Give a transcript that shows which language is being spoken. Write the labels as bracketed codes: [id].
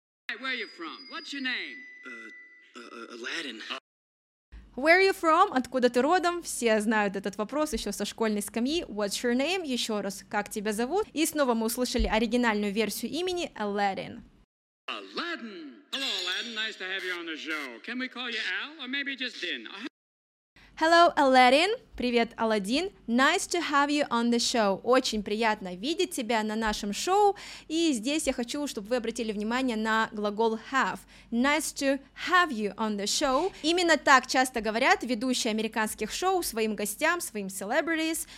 [en] Hey, where are you from? What's your name? Aladdin. Where are you from? [ru] Откуда ты родом? Все знают этот вопрос еще со школьной скамьи. [en] What's your name? [ru] Еще раз, как тебя зовут? И снова мы услышали оригинальную версию имени Aladdin. [en] Aladdin. Hello, Aladdin. Nice to have you on the show. Can we call you Al or maybe just Din? Hello, Aladdin. [ru] Привет, Аладдин. [en] Nice to have you on the show. [ru] Очень приятно видеть тебя на нашем шоу. И здесь я хочу, чтобы вы обратили внимание на глагол have. [en] Nice to have you on the show. [ru] Именно так часто говорят ведущие американских шоу своим гостям, своим celebrities.